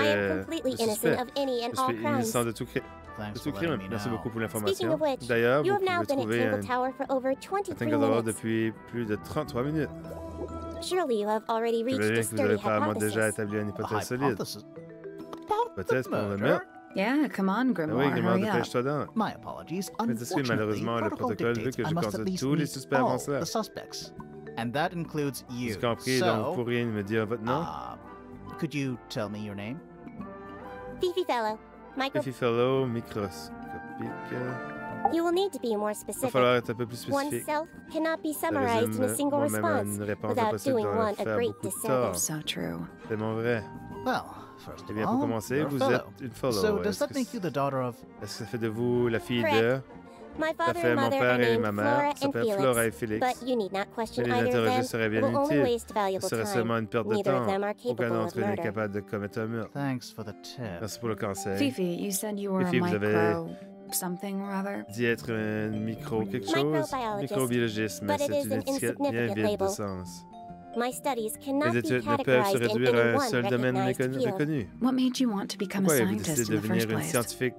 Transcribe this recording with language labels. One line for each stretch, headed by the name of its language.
English: I am completely innocent of any and all crimes.
French: Je suis innocent de tout crime. Merci beaucoup pour l'information. D'ailleurs,
English: you have now been at Tangle Tower for over 23 minutes.
French: Depuis plus de 33 minutes.
English: Surely you have already reached a sturdy hypothesis.
French: Vous avez apparemment déjà établi une hypothèse solide. Peut-être pour le meurtre.
English: Yeah, come on, Grimoire.
French: Oui, Grimoire, dépêche-toi donc.
English: My apologies.
French: Unfortunately, malheureusement, le protocole veut que je compte tous les suspects avant cela.
English: And that includes you.
French: Vous comprenez, donc vous pourriez me dire votre nom?
English: Could you tell me your name? Freya Fellow.
French: Freya Fellow, microscopique.
English: You will need to be more specific.
French: Il va falloir être un peu plus spécifique.
English: Oneself cannot be summarized in a single response without doing one a great disservice. So true.
French: Tellement vrai.
English: Well, first of all, you're a fellow.
French: Eh bien, pour commencer, vous êtes une fellow.
English: So does that make you the daughter of...
French: Est-ce que ça fait de vous la fille de...
English: My father and mother are named Flora and Felix, but you need not question either of them. It will only waste valuable time. Neither of them are capable of murder. Thanks for the tip.
French: Merci pour le conseil.
English: Fifi, you said you were Fifi, a micro something or other.
French: D'y être un micro quelque chose. Microbiologiste, mais c'est une étiquette bien vide de sens.
English: My studies cannot be categorized in any one recognized field. What made you want to become a scientist in the first place?